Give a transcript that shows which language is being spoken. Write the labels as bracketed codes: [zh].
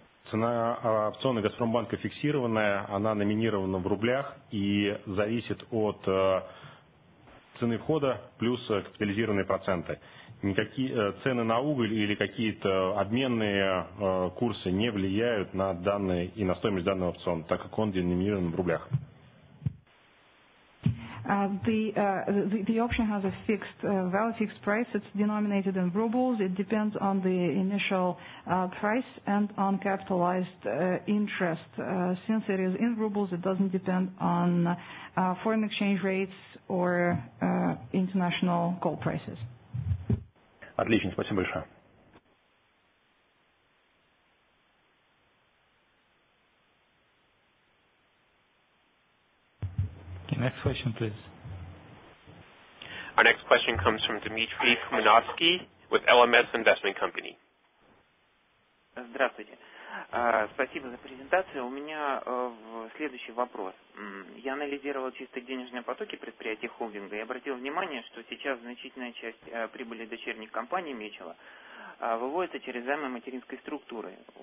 [ru] Цена опциона Газпромбанка фиксированная, она номинирована в рублях и зависит от цены входа плюс капитализированные проценты. Никакие цены на уголь или какие-то обменные курсы не влияют на данные и на стоимость данного опциона, так как он деноминирован в рублях. [en] The option has a fixed value, fixed price. It's denominated in rubles. It depends on the initial price and on capitalized interest. Since it is in rubles, it doesn't depend on foreign exchange rates or international coal prices. [ru] Отлично, спасибо большое. [en] Next question, please. Our next question comes from Dmitry Kumanovsky with LMS Investment Company. [ru] Здравствуйте. Спасибо за презентацию. У меня следующий вопрос. Я анализировал чисто денежные потоки предприятий холдинга и обратил внимание, что сейчас значительная часть прибыли дочерних компаний Мечела выводится через займы материнской структуры.